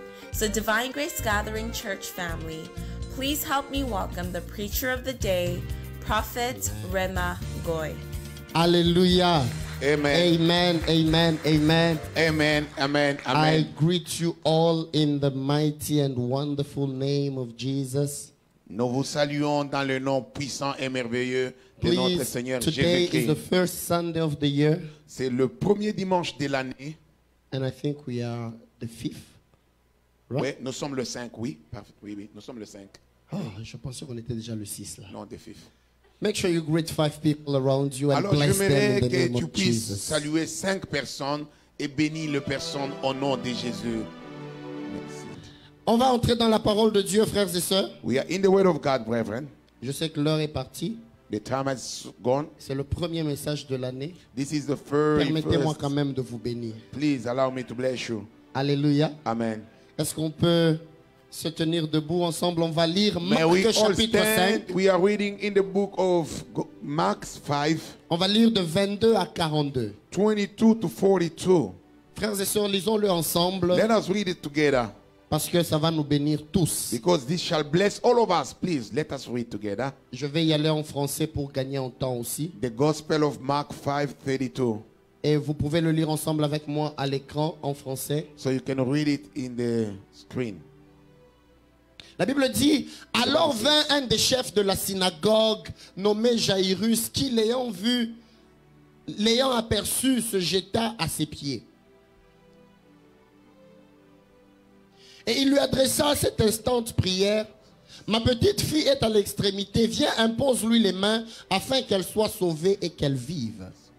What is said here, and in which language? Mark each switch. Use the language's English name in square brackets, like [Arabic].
[English] So Divine Grace Gathering Church family, please help me welcome the preacher of the day, Prophet Rema Goy. Hallelujah. Amen. Amen. Amen. Amen. Amen. Amen. Amen. I greet you all in the mighty and wonderful name of Jesus. [French] Nous vous saluons dans le nom puissant et merveilleux de [English] Please, [French] notre Seigneur Jésus-Christ. [English] Today is the first Sunday of the year. [French] C'est le premier dimanche de l'année. [English] And I think we are the fifth. Right? [French] Oui, nous sommes le 5, oui. Oui, oui, nous sommes le 5. Oh, je pensais qu'on était déjà le 6 là. Non, [English] the fifth. Make sure you greet five people around you and [French] Alors, [English] bless them in the name of Jesus. [French] Alors, j'aimerais que tu puisses saluer cinq personnes et bénir les personnes au nom de Jésus. On va entrer dans la parole de Dieu, frères et sœurs. [English] We are in the word of God, brethren. [French] Je sais que l'heure est partie. [English] The time has gone. [French] C'est le premier message de l'année. [English] This is the first. [French] Permettez-moi quand même de vous bénir. [English] Please allow me to bless you. [French] Alléluia. Amen. Est-ce qu'on peut se tenir debout ensemble? On va lire Marc chapitre 5. [English] We are reading in the book of Mark 5. [French] On va lire de 22 à 42. [English] 22 to 42. [French] Frères et sœurs, lisons-le ensemble. [English] Let us read it together. [French] Parce que ça va nous bénir tous. [English] Because this shall bless all of us. Please, let us read together. [French] Je vais y aller en français pour gagner en temps aussi. [English] The Gospel of Mark 5, 32. [French] Et vous pouvez le lire ensemble avec moi à l'écran en français. [English] So you can read it in the screen. [French] La Bible dit, alors vint un des chefs de la synagogue nommé Jaïrus, qui l'ayant aperçu, se jeta à ses pieds. Et il lui adressa cette instante prière, ma petite fille est à l'extrémité, viens impose-lui les mains afin qu'elle soit sauvée et qu'elle vive.